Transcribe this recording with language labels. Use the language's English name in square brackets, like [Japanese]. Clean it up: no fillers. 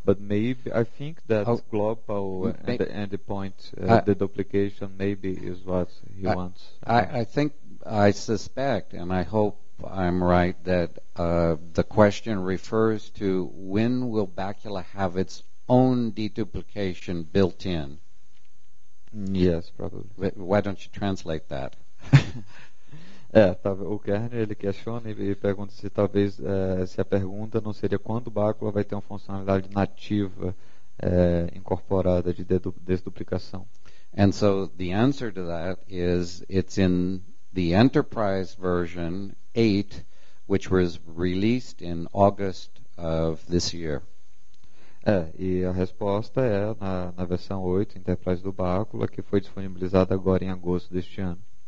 [English] But maybe, I think that global endpoint deduplication maybe is what he wants. I suspect, and I hope I'm right, that the question refers to when will Bacula have its own deduplication built in? Yes, probably. Why don't you translate that? [Portuguese] O Kern, ele questiona e pergunta se talvez se a pergunta não seria quando o Bacula vai ter uma funcionalidade nativa incorporada de desduplicação. [English] And so the answer to that is it's in the Enterprise version 8, which was released in August of this year. [Portuguese] E a resposta é na versão 8, Enterprise do Bacula, que foi disponibilizada agora em agosto deste ano.